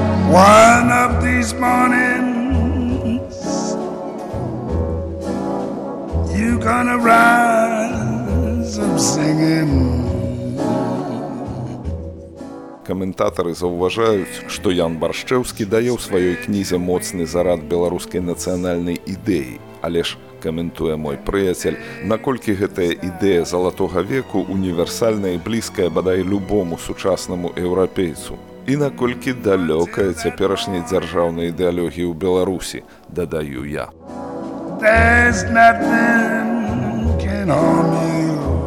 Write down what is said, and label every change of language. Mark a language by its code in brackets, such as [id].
[en] One of these mornings You gonna rise, I'm singing. [be] Каментатары заўважаюць, што Ян Баршчэўскі дае ў сваёй кнізе моцны зарад беларускай нацыянальнай ідэі, але ж каментуе мой прыяцель, наколькі гэтая ідэя залатога веку універсальная і блізкая бадай любому сучаснаму еўрапейцу. І наколькі далёкая цяперашняй дзяржаўнай ідэалогіі ў Беларусі, дадаю я. [en] There's nothing can harm you.